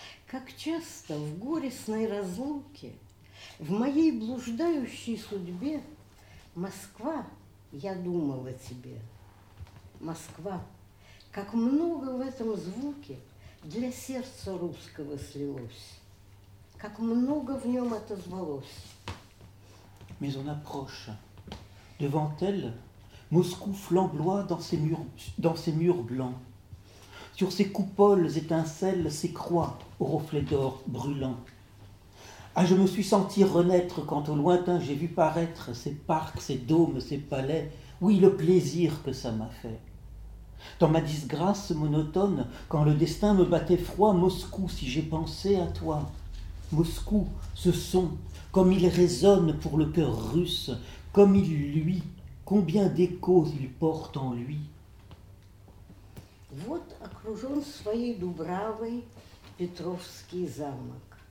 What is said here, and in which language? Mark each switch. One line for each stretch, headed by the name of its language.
Russian: Как часто в горестной разлуке, в моей блуждающей судьбе, Москва, я думала тебе, Москва, как много в этом звуке для сердца русского слилось, как много в нем отозвалось.
French: Mais on approche. Devant elle, Moscou flamboie dans ses murs blancs. Sur ses coupoles étincelles, ses croix aux reflets d'or brûlants. Ah, je me suis senti renaître quand au lointain j'ai vu paraître ses parcs, ses dômes, ses palais. Oui, le plaisir que ça m'a fait. Dans ma disgrâce monotone, quand le destin me battait froid, Moscou, si j'ai pensé à toi, Moscou, ce son, comme il résonne pour le cœur russe, comme il luit, combien d'échos il porte en lui.
Russian: Вот окружен своей дубравой Петровский замок.